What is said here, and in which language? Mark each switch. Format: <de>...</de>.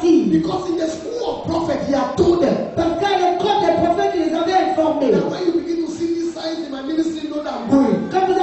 <en>Because in the school of prophets, he had told them.</en> <fr>Parce qu'à l'école des prophètes, il les avait informés.</fr> <en>Now when you begin to see these signs in my ministry, know that I'm going.</en>